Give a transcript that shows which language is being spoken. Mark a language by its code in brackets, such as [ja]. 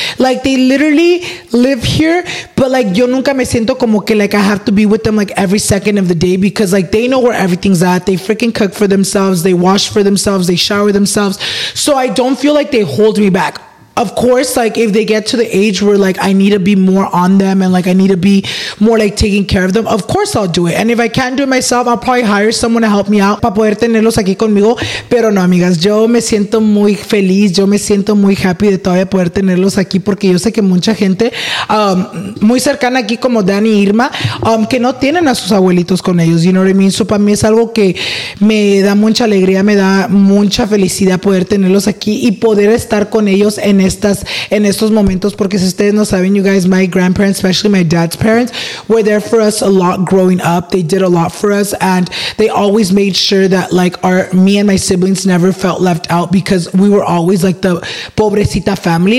[en] Like, they literally live here, but like, yo nunca me siento como que, like, I have to be with them like every second of the day because like they know where everything's at. They freaking cook for themselves, they wash for themselves, they shower themselves. So I don't feel like they hold me back. Of course, like, if they get to the age where like I need to be more on them and like I need to be more like taking care of them, of course I'll do it. And if I can't do it myself, I'll probably hire someone to help me out para poder tenerlos aquí conmigo. [es] Pero no, amigas, yo me siento muy feliz, yo me siento muy happy de todavía poder tenerlos aquí porque yo sé que mucha gente muy cercana aquí como Dani e Irma que no tienen a sus abuelitos con ellos, you know what I mean? So para mí es algo que me da mucha alegría, me da mucha felicidad poder tenerlos aquí y poder estar con ellos en [en] fiestas en estos momentos, porque si ustedes no saben, you guys, my grandparents, especially my dad's parents, were there for us a lot growing up. They did a lot for us, and they always made sure that, like, our me and my siblings never felt left out, because we were always like the pobrecita family.